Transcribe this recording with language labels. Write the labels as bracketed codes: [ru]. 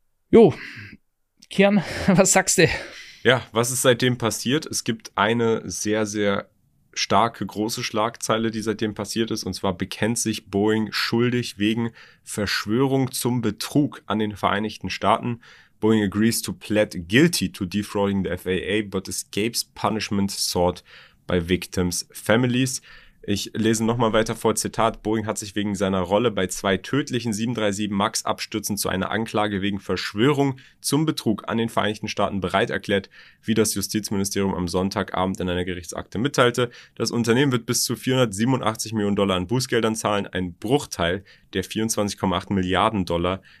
[de] Jo, Kian, was sagst du? Ja, was ist seitdem passiert? Es gibt eine sehr, sehr starke, große Schlagzeile, die seitdem passiert ist. Und zwar bekennt sich Boeing schuldig wegen Verschwörung zum Betrug an den Vereinigten Staaten. [en] Boeing agrees to plead guilty to defrauding the FAA, but escapes punishment sought by victims' families. [de] Ich lese nochmal weiter vor, Zitat, Boeing hat sich wegen seiner Rolle bei 2 tödlichen 737 MAX-Abstürzen zu einer Anklage wegen Verschwörung zum Betrug an den Vereinigten Staaten bereit erklärt, wie das Justizministerium am Sonntagabend in einer Gerichtsakte mitteilte. Das Unternehmen wird bis zu 487 Millionen Dollar an Bußgeldern zahlen, ein Bruchteil der 24,8 Milliarden Dollar,